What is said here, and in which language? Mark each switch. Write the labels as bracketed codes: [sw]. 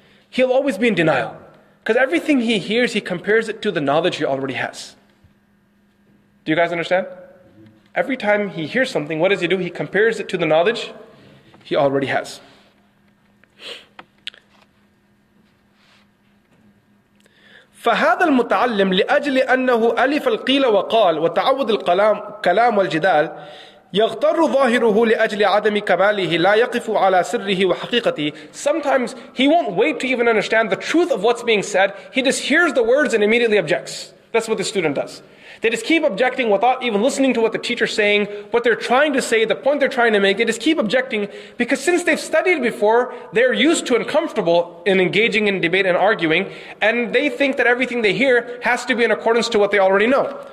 [en] He'll always be in denial. Because everything he hears, he compares it to the knowledge he already has. Do you guys understand? Every time he hears something, what does he do? He compares it to the knowledge he already has. [ar] فهذا المتعلم لأجل أنه ألف القيل وقال وتعود الكلام والجدال يغتر ظاهره لأجل عدم كماله لا يقف على سره وحقيقته. [en] Sometimes he won't wait to even understand the truth of what's being said. He just hears the words and immediately objects. That's what the student does. They just keep objecting without even listening to what the teacher's saying, what they're trying to say, the point they're trying to make. They just keep objecting because since they've studied before, they're used to and comfortable in engaging in debate and arguing, and they think that everything they hear has to be in accordance to what they already know.